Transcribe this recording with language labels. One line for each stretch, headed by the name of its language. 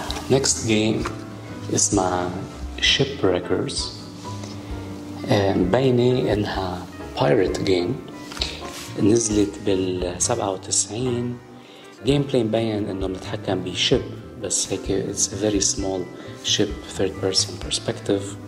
English: Next game اسمها Shipwreckers.
Arabic: مبينة انها Pirate Game, نزلت بال 97.
English: Game Play
Arabic: مبين انه متحكم بشيب, بس هيك
English: it's a very small ship, third person perspective.